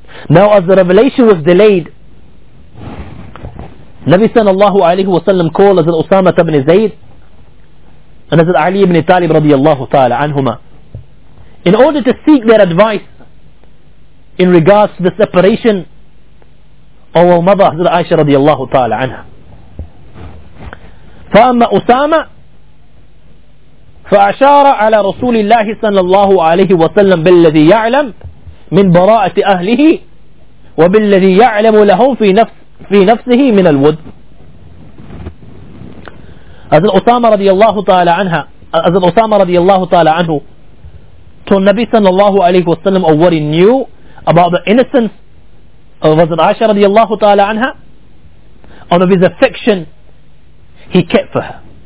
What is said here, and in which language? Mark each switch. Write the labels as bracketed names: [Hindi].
[English] Now, as the revelation was delayed, Nabi sallallahu alayhi wasallam called Hazrat Usama ibn Zayd and Hazrat Ali ibn Talib radiyallahu ta'ala anhuma in order to seek their advice in regards to the separation of our mother Hazrat Aisha radiyallahu ta'ala anha. [Arabic] فأما أسامة فأشار على رسول الله صلى الله عليه وسلم بالذي يعلم من براءة أهله وبالذي يعلم لهم في نفسه من الود. [English] Hazrat Usama radiyallahu ta'ala anha, Hazrat Usama radiyallahu ta'ala anhu told Nabi sallallahu alayhi wasallam of what he knew about the innocence of Hazrat Aisha radiyallahu ta'ala anha and of his affection he kept for her.